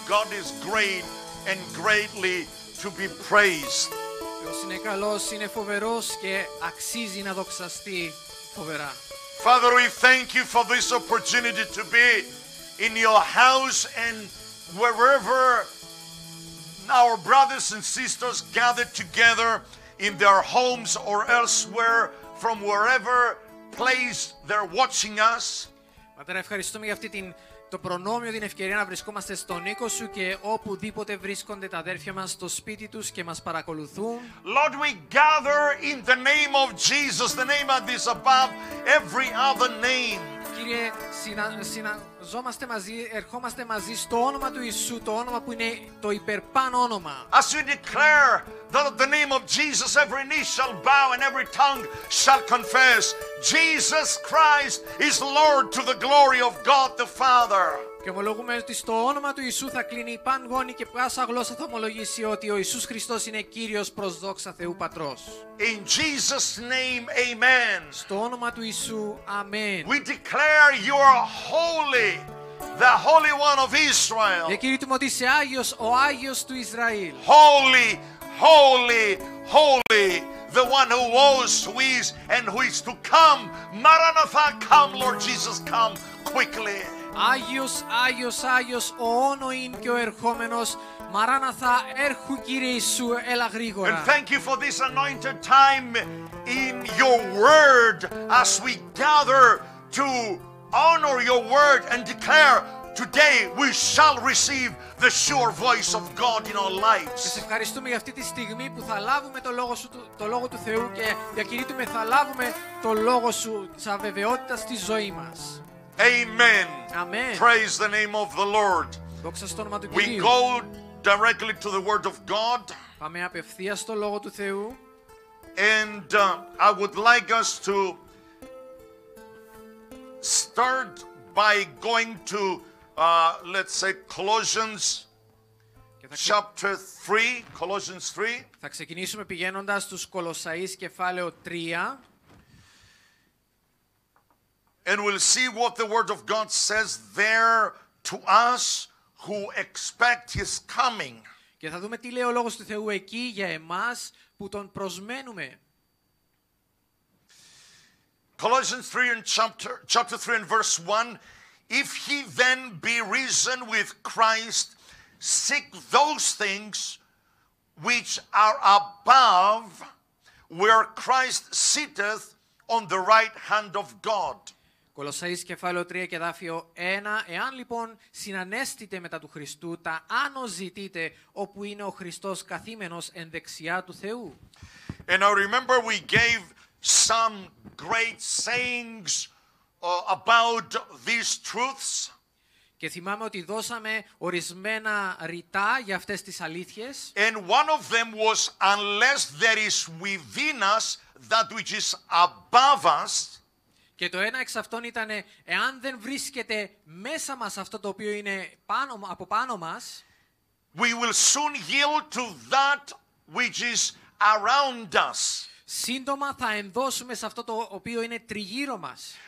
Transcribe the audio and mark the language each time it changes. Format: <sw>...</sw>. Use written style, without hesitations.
<en>God is great and greatly to be praised.</en> <el>Deus είναι καλός, είναι φοβερός και αξίζει να δοξαστεί φοβερά.</el> <en>Father, we thank you for this opportunity to be in your house and wherever our brothers and sisters gathered together in their homes or elsewhere, from wherever place they're watching us.</en> <el>Πατέρα, ευχαριστούμε για αυτή το προνόμιο, την ευκαιρία να βρισκόμαστε στον οίκο σου και οπουδήποτε βρίσκονται τα αδέρφια μας στο σπίτι τους και μας παρακολουθούν.</el> <en>Lord, we gather in the name of Jesus, the name that is above every other name.</en> <el>Κύριε, συναζόμαστε μαζί, ερχόμαστε μαζί στο όνομα του Ιησού, το όνομα που είναι το υπερπάν όνομα.</el> <en>As we declare that the name of Jesus, every knee shall bow and every tongue shall confess, Jesus Christ is Lord, to the glory of God the Father.</en> <el>Και ομολογούμε ότι στο όνομα του Ιησού θα κλείνει η πανγόνη και πάσα γλώσσα θα ομολογήσει ότι ο Ιησούς Χριστός είναι Κύριος προς δόξα Θεού Πατρός.</el> <en>In Jesus' name, amen.</en> <el>Στο όνομα του Ιησού, amen.</el> <en>We declare you are holy, the Holy One of Israel.</en> <el>Διακηρύττουμε ότι είσαι Άγιος, ο Άγιος του Ισραήλ.</el> <en>Holy, holy, holy, the one who was, who is, and who is to come. Maranatha, come, Lord Jesus, come quickly.</en> <el>Άγιος, Άγιος, Άγιος, ο όνοιν και ο ερχόμενος, Μαράναθα, έρχου Κύριε Ιησού, έλα γρήγορα.</el> <en>And thank you for this anointed time in your word, as we gather to honor your word and declare today we shall receive the sure voice of God in our lives.</en> <el>Σε ευχαριστούμε για αυτή τη στιγμή που θα λάβουμε το λόγο σου, το λόγο του Θεού και διακηρύττουμε θα λάβουμε το λόγο σου της αβεβαιότητας στη ζωή μας.</el> <en>Amen. Amen. Praise the name of the Lord.</en> <el>Δόξα στο όνομα του Κυρίου.</el> <en>We go directly to the word of God.</en> <el>Πάμε απευθείας στο λόγο του Θεού.</el> <en>And I would like us to start by going to let's say Colossians chapter 3, Colossians 3.</en> <el>Θα ξεκινήσουμε πηγαίνοντας στους Κολοσσαείς κεφάλαιο 3.</el> <en>And we'll see what the word of God says there to us who expect his coming.</en> <el>Και θα δούμε τι λέει ο λόγος του Θεού εκεί για εμάς που τον προσμένουμε.</el> <en>Colossians 3 and chapter 3 and verse 1. If he then be risen with Christ, seek those things which are above, where Christ sitteth on the right hand of God.</en> <el>Κολοσσαείς κεφάλαιο 3 και εδάφιο 1. Εάν λοιπόν συνανέστητε μετά του Χριστού, τα άνω ζητείτε, όπου είναι ο Χριστός καθήμενος εν δεξιά του Θεού.</el> <en>And I remember we gave some great sayings about these truths.</en> <el>Και θυμάμαι ότι δώσαμε ορισμένα ρητά για αυτές τις αλήθειες.</el> <en>And one of them was, unless there is within us that which is above us.</en> <el>Και το ένα εξ αυτών ήταν, εάν δεν βρίσκεται μέσα μας αυτό το οποίο είναι πάνω, από πάνω μας,</el> <en>we will soon yield to that which is around us.</en> <el>Σύντομα θα ενδώσουμε σε αυτό το οποίο είναι τριγύρω μας.</el>